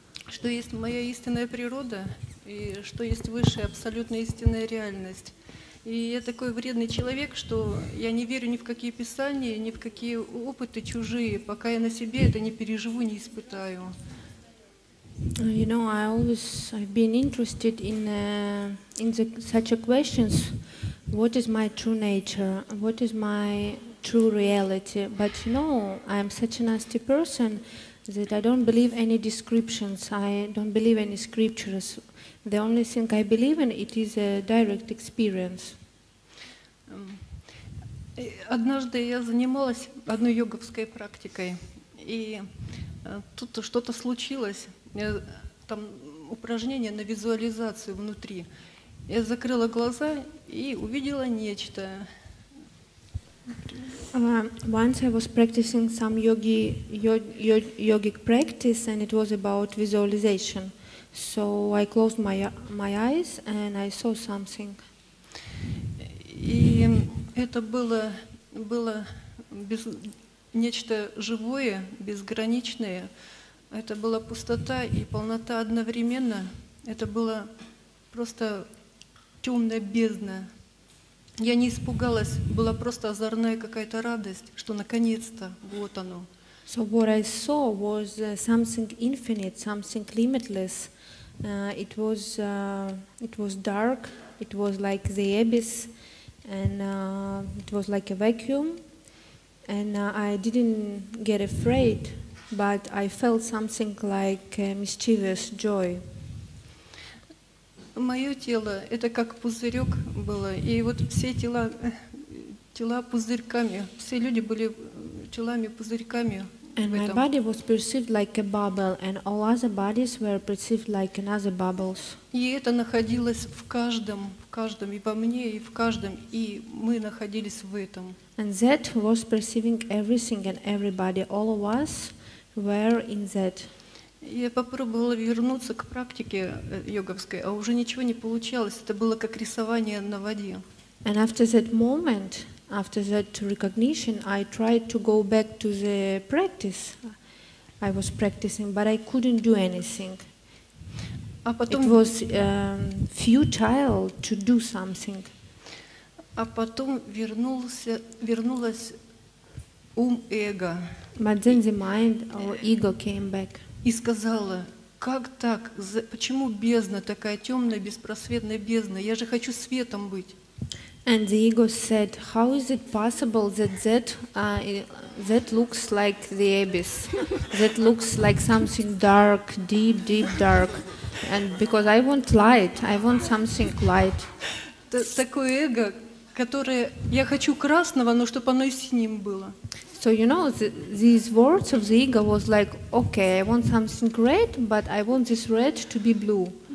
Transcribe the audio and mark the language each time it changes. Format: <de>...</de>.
<ru>Что есть моя истинная природа и что есть высшая абсолютная истинная реальность. И я такой вредный человек, что я не верю ни в какие писания, ни в какие опыты чужие, пока я на себе это не переживу, не испытаю.</ru> <en>You know, I've been interested in such a questions. What is my true nature? What is my true reality? But you know, I'm such a nasty person that I don't believe any descriptions. I don't believe any scriptures. The only thing I believe in it is a direct experience.</en> <ru>Однажды я занималась одной йоговской практикой, и тут что-то случилось. Там упражнение на визуализацию внутри. Я закрыла глаза и увидела нечто.</ru> <en>Once I was practicing some yogic practice and it was about visualization. So I closed my eyes and I saw something.</en> <ru>И это было без, нечто живое, безграничное. Это была пустота и полнота одновременно. Это была просто темная бездна. Я не испугалась, была просто озорная какая-то радость, что наконец-то вот оно.</ru> <en>So what I saw was something infinite, something limitless. It was dark. It was like the abyss, and it was like a vacuum. And I didn't get afraid. But I felt something like a mischievous joy.</en> <ru>Моё тело — это как пузырёк было, и вот все тела пузырьками, все люди были телами пузырьками.</ru> <en>And my body was perceived like a bubble, and all other bodies were perceived like another bubbles.</en> <ru>И это находилось в каждом, и во мне, и в каждом, и мы находились в этом.</ru> <en>And that was perceiving everything and everybody, all of us. Where in that?</en> <ru>Я попробовала вернуться к практике йоговской, а уже ничего не получалось. Это было как рисование на воде.</ru> <en>And after that moment, after that recognition, I tried to go back to the practice I was practicing, but I couldn't do anything.</en> <ru>А потом...</ru> <en>It was futile to do something.</en> <ru>А потом вернулась эго.</ru> <en>But then the mind or ego came back.</en> <ru>И сказала, как так? Почему бездна такая темная, беспросветная бездна? Я же хочу светом быть.</ru> <en>And the ego said, how is it possible that looks like the abyss? That looks like something dark, deep, deep dark. And because I want light, I want something light.</en> <ru>Такое эго, которое я хочу красного, но чтобы оно и синим было.</ru> <en>So you know, these words of the ego was like, okay, I want something red, but I want this red to be blue.</en>